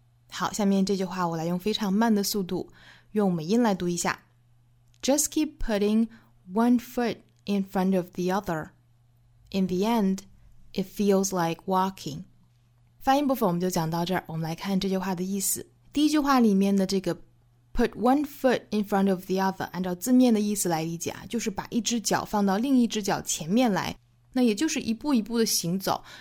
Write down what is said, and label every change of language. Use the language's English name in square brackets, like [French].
[Chinese] 好，下面这句话我来用非常慢的速度用美音来读一下。 [English] Just keep putting one foot in front of the other. In the end, it feels like walking. [Chinese] 发音部分我们就讲到这儿，我们来看这句话的意思。第一句话里面的这个 [English] Put one foot in front of the other， [Chinese] 按照字面的意思来理解，就是把一只脚放到另一只脚前面来，那也就是一步一步的行走。